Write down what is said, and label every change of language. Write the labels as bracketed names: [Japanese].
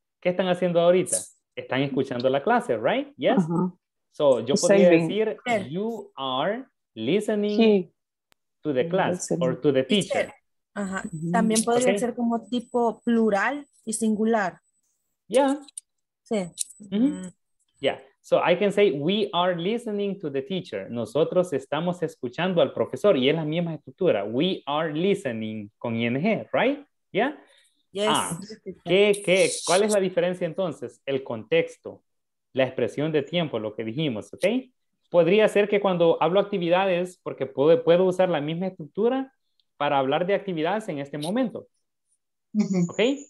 [Spanish] ¿Qué están haciendo ahorita? Están escuchando la clase, [English] ¿right? Yes. [Spanish] Uh-huh. [English] So, [Spanish] yo podría decir, [English] you are listening to the class or to the teacher. Ajá. Mm-hmm. [Spanish] También podría ser como tipo plural y singular. [English] Yeah. [Spanish] Sí. [English] Mm-hmm. Yeah. So, I can say, we are listening to the teacher. [Spanish] Nosotros estamos escuchando al profesor y es la misma estructura. [English] We are listening con ING, right? Yeah. Yes. [Spanish] Ah, ¿qué? ¿Cuál es la diferencia entonces? El contexto. La expresión de tiempo, lo que dijimos, ¿ok? Podría ser que cuando hablo actividades, porque puedo usar la misma estructura para hablar de actividades en este momento, ¿ok?